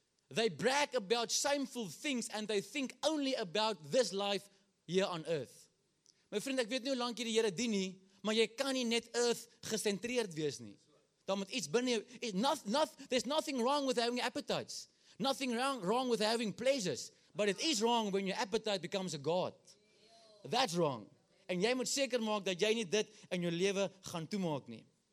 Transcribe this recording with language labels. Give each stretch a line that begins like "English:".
English: They brag about shameful things and they think only about this life here on earth.
Afrikaans: My vriend, ek weet nie hoe lank jy die Here dien nie, maar jy kan nie net earth gesentreerd wees nie. Dan moet iets binne jou,
English: there's nothing wrong with having appetites. Nothing wrong with having pleasures. But it is wrong when your appetite becomes a god. That's wrong.
Afrikaans: En jy moet seker maak dat jy nie dit in jou lewe gaan toemaak nie.